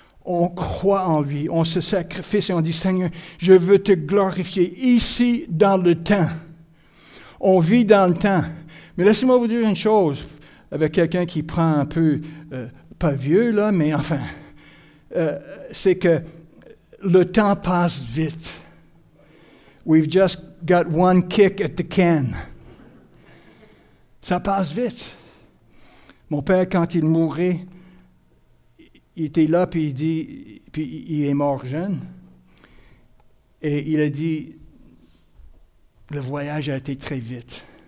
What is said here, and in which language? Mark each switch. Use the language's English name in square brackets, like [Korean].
[French] On croit en lui, on se sacrifie et on dit, Seigneur, je veux te glorifier ici dans le temps. On vit dans le temps. Mais laissez-moi vous dire une chose, avec quelqu'un qui prend un peu, pas vieux là, mais enfin, c'est que le temps passe vite. [English] We've just got one kick at the can. [French] Ça passe vite. Mon père, quand il mourait, il était là, puis il dit, puis il est mort jeune. Et il a dit, le voyage a été très vite.